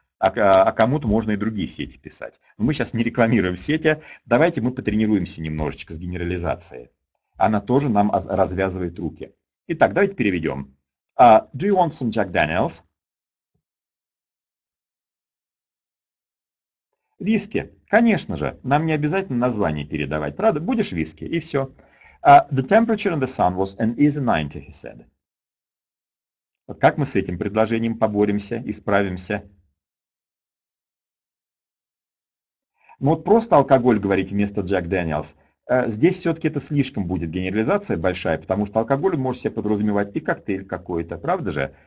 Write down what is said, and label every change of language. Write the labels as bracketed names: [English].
[Russian] А кому-то можно и другие сети писать. Но мы сейчас не рекламируем сети, давайте мы потренируемся немножечко с генерализацией. Она тоже нам развязывает руки. Итак, давайте переведем. [English] Do you want some Jack Daniels? [Russian] Виски. Конечно же, нам не обязательно название передавать. Правда, будешь виски, и все. [English] The temperature in the sun was and is 90, he said. [Russian] Вот как мы с этим предложением поборемся, исправимся? Ну вот просто алкоголь говорить вместо Jack Daniels, здесь все-таки это слишком будет генерализация большая, потому что алкоголь может себе подразумевать и коктейль какой-то, правда же?